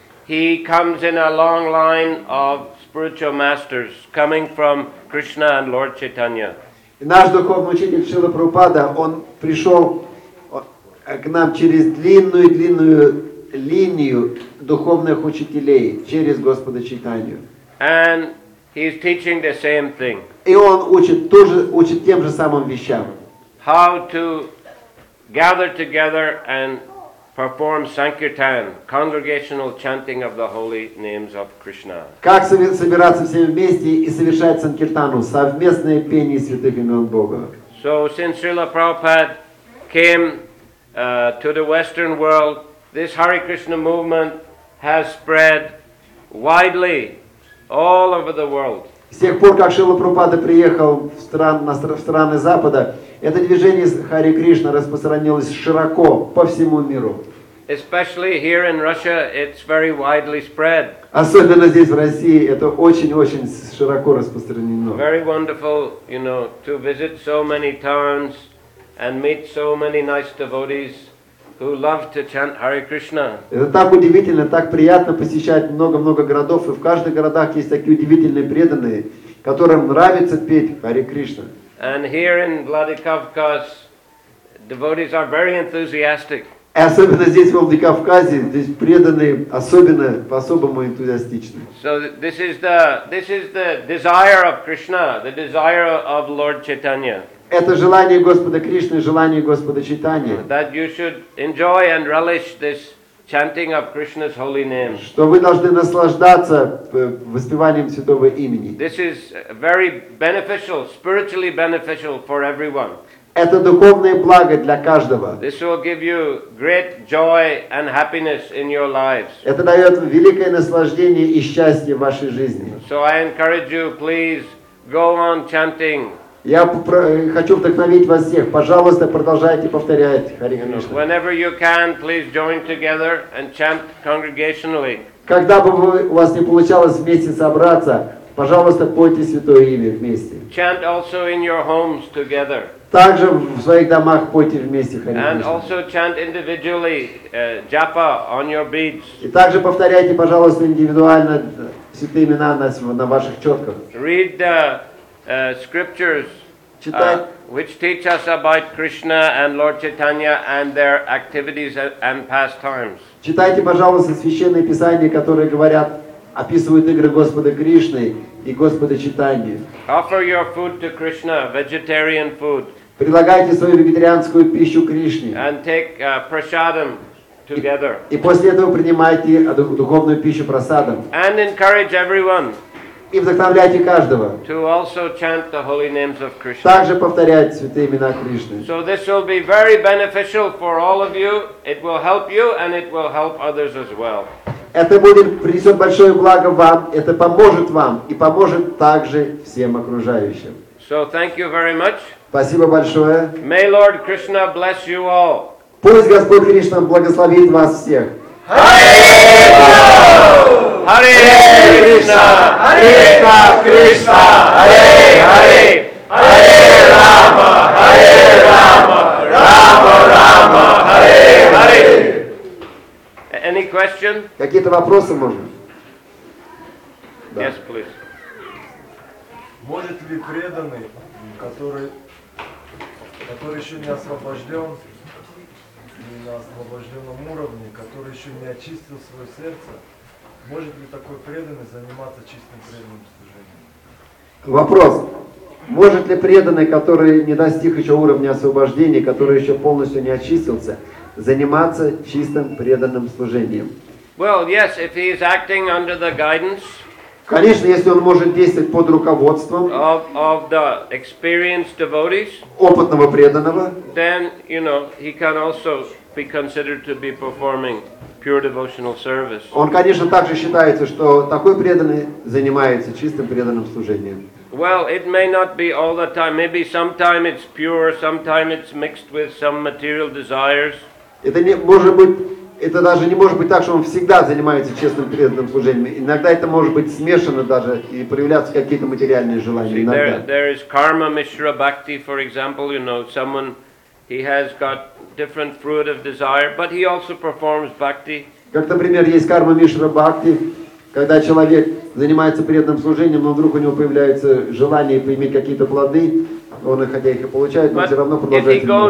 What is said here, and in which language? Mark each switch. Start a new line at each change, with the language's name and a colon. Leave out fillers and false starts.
English: He comes in a long line of spiritual masters coming from Krishna and Lord Chaitanya.
Russian: И наш духовный учитель Шрила Прабхупада, он пришел к нам через длинную-длинную линию духовных учителей, через Господа Чайтанью.
English: And he's teaching the same thing.
Russian: И он учит тем же самым вещам.
English: How to gather together and perform sankirtan, congregational chanting of the holy names of Krishna.
Russian: Как собираться всем вместе и совершать санкиртану, совместное пение святых имен Бога.
English: So since Srila Prabhupada came to the Western world, this Hare Krishna movement has spread widely all over the world.
Russian: С тех пор, как Шрила Прабхупада приехал в страны Запада, это движение Харе Кришна распространилось широко по всему миру.
English: Especially here in Russia, it's very widely spread.
Russian: Особенно здесь, в России, это очень-очень широко распространено.
English: Very wonderful, you know, to visit so many towns and meet so many nice devotees who love to chant Hare Krishna.
Russian: Это так удивительно, так приятно посещать много-много городов, и в каждых городах есть такие удивительные преданные, которым нравится петь Харе Кришна.
English: And here in Vladikavkaz, devotees are very enthusiastic.
Russian: Особенно здесь, в Владикавказе, здесь преданные особенно, по-особому энтузиастичны.
English: So this is the desire of Krishna, the desire of Lord Chaitanya.
Russian: Это желание Господа Кришны, желание Господа Чайтаньи.
English: That you should enjoy and relish this chanting of Krishna's holy name.
Russian: Что вы должны наслаждаться воспеванием святого имени.
English: This is very beneficial, spiritually beneficial for everyone.
Russian: Это духовное благо для каждого.
English: This will give you great joy and happiness in your lives.
Russian: Это дает великое наслаждение и счастье в вашей жизни.
English: So I encourage you, please go on chanting.
Russian: Я хочу вдохновить вас всех. Пожалуйста, продолжайте повторять Харе Кришна.
English: Whenever you can, please join together and chant congregationally.
Russian: Когда бы у вас не получалось вместе собраться, пожалуйста, пойте святое имя вместе.
English: Chant also in your homes together.
Russian: Также в своих домах пойте вместе Харе Кришна.
English: And also chant individually japa on your beads.
Russian: И также повторяйте, пожалуйста, индивидуально святые имена на ваших четках.
English: Read the scriptures which teach us about Krishna and Lord Chaitanya and their activities and pastimes.
Russian: Читайте, пожалуйста, священные писания, которые говорят, описывают игры Господа Кришны и Господа Чайтаньи.
English: Offer your food to Krishna, vegetarian food.
Russian: Предлагайте свою вегетарианскую пищу Кришне.
English: And take prasadam together.
Russian: И после этого принимайте духовную пищу прасадам.
English: And encourage everyone.
Russian: И вдохновляйте каждого.
English: To also chant the holy names of Krishna.
Russian: Также повторять святые имена Кришны.
English: So this will be very beneficial for all of you. It will help you and it will help others as well.
Russian: Это будет принесет большое благо вам. Это поможет вам и поможет также всем окружающим.
English: So thank you very much.
Russian: Спасибо большое.
English: May Lord Krishna bless you all.
Russian: Пусть Господь Кришна благословит вас всех.
Sanskrit: Hare Krishna, Hare Krishna, Krishna, Hare Hare, Hare Rama, Hare Rama, Rama Rama, Hare Hare.
English: Any question?
Russian: Какие-то вопросы можно?
English: Yes, please.
Russian: Может ли преданный, который еще не освобожден, на освобожденном уровне, который еще не очистил свое сердце, может ли такой преданный заниматься чистым преданным служением? Вопрос. Может ли преданный, который не достиг еще уровня освобождения, который еще полностью не очистился, заниматься чистым преданным служением?
English: Well, yes, if he is acting under the guidance.
Russian: Конечно, если он может действовать под руководством
English: of the experienced devotees,
Russian: опытного преданного,
English: then, you know, he can also be considered to be performing pure devotional service.
Russian: Он, конечно, также считается, что такой преданный занимается чистым преданным служением.
English: Well, it may not be all the time. Maybe sometime it's pure, sometime it's mixed with some material desires.
Russian: Это даже не может быть так, что он всегда занимается честным преданным служением. Иногда это может быть смешано даже и проявляться какие-то материальные желания.
English: See, there is karma mishra bhakti, for example, you know, someone, he has got different fruit of desire, but he also performs bhakti.
Russian: Как, например, есть карма Мишра Бхакти, когда человек занимается преданным служением, но вдруг у него появляется желание поиметь какие-то плоды, он их, хотя их и получает, но все равно продолжает.